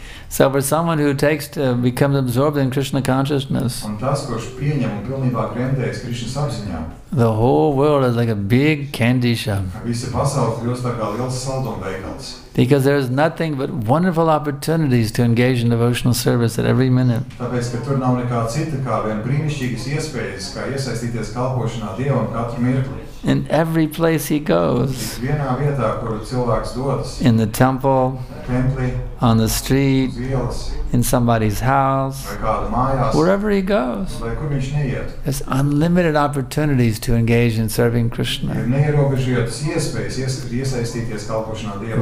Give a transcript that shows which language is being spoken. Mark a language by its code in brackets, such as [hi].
[en] So for someone who takes to becomes absorbed in Krishna consciousness, the whole world is like a big candy shop. Because there is nothing but wonderful opportunities to engage in devotional service at every minute. [lv] Tāpēc, ka tur nav nekā cita, kā vien brīnišķīgas iespējas, kā iesaistīties kalpošanā Dievam katru mirkli. [en] In every place he goes, [lv] vienā vietā, kur cilvēks dodas, [en] in the temple, [lv] templī, [en] on the street, [lv] vielas, [en] in somebody's house, [lv] vai kādu mājās, [en] wherever he goes, [lv] vai kur viņš neiet, [en] there's unlimited opportunities to engage in serving Krishna. [lv] Ir neierobežotas iespējas iesaistīties kalpošanā Dievam.